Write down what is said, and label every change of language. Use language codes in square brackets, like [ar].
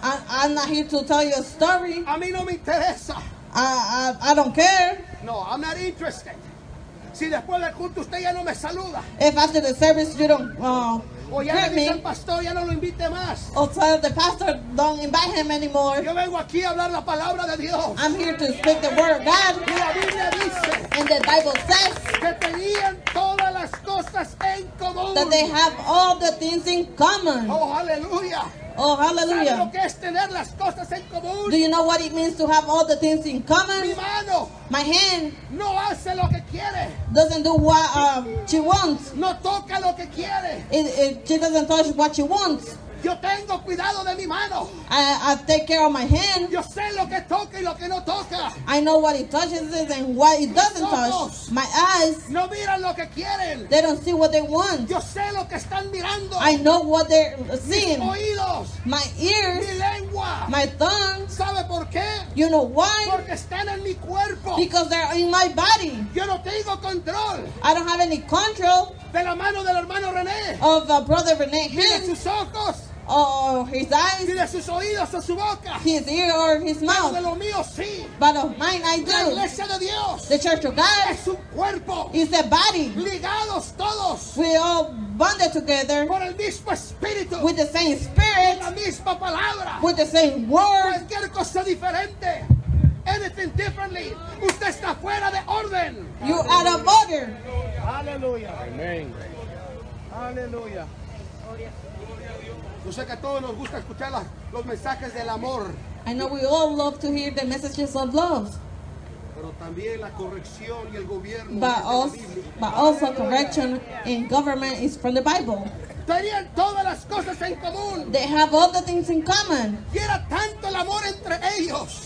[en] I'm not here to tell you a story. [es] A mí no me interesa. [en] I don't care. No, I'm not interested. [es] Si después del culto usted ya no me saluda. [en] If after the service you don't greet me. [es] O ya el pastor ya no lo invite más. [en] Or tell the pastor don't invite him anymore. [es] Yo vengo aquí a hablar la palabra de Dios. [en] I'm here to speak the word of God. [es] Y la Biblia dice. [en] And the Bible says. [es] Que tenían todas las cosas en común. [en] that they have all the things in common. Oh, hallelujah. Oh, hallelujah. [es] ¿Sabe lo que es tener las cosas en común? [en] Do you know what it means to have all the things in common? [es] Mi mano, [en] my hand, [es] no hace lo que quiere. [en] Doesn't do what she wants. [es] No toca lo que quiere. [en] She doesn't touch what she wants. [es] Yo tengo cuidado de mi mano. [en] I take care of my hand. [es] Yo sé lo que toca y lo que no toca. [en] I know what it touches and what it doesn't touch. My eyes. [es] No miran lo que quieren. [en] They don't see what they want. [es] Yo sé lo que están mirando. [en] I know what they're seeing. [es] Mis oídos. [en] My ears. [es] Mi lengua. [en] My tongue. [es] ¿Sabe por qué? [en] You know why? [es] Porque están en mi cuerpo. [en] Because they're in my body. [es] Yo no tengo control. [en] I don't have any control. [es] De la mano del hermano René. [en] Of the brother René. [es] Mira sus ojos. [en] Oh, his eyes. [es] Mira sus oídos o su boca. [en] His ear or his mouth. [es] De lo mío, sí. [en] But of mine I do. [es] La iglesia de Dios. [en] The church of God. [es] Es un cuerpo. [en] Is a body. [es] Ligados todos. [en] We all bonded together. [es] Por el mismo espíritu. [en] With the same spirit. [es] La misma palabra. [en] With the same word. [es] Cualquier cosa diferente. [en] Anything differently. [es] Usted está fuera de orden. [en] You are out of order. Hallelujah. Amen. Hallelujah. [es] Gloria. Yo sé que a todos nos gusta escuchar los mensajes del amor. [en] I know we all love to hear the messages of love. [es] Pero también la corrección y el gobierno. [en] But also correction in government is from the Bible. [es] Tenían todas las cosas en común. [en] They have all the things in common. [es] Y era tanto el amor entre ellos.